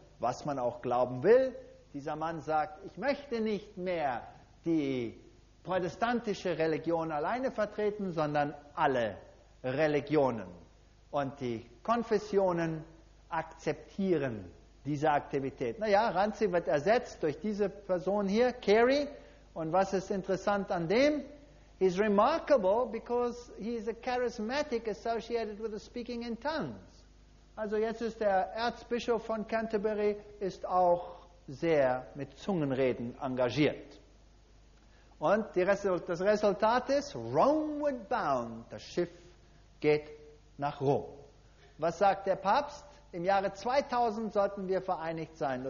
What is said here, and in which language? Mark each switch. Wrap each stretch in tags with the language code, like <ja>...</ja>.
<de>Was man auch glauben will. Dieser Mann sagt, ich möchte nicht mehr die protestantische Religion alleine vertreten, sondern alle Religionen. Und die Konfessionen akzeptieren diese Aktivität. Naja, Ranzi wird ersetzt durch diese Person hier, Carey. Und was ist interessant an dem?</de> <en>He's remarkable because he's a charismatic associated with the speaking in tongues.</en> <de>Also jetzt ist der Erzbischof von Canterbury ist auch sehr mit Zungenreden engagiert. Und das Resultat ist,</de> <en>Romeward bound,</en> <de>das Schiff geht nach Rom. Was sagt der Papst? Im Jahre 2000 sollten wir vereinigt sein.</de>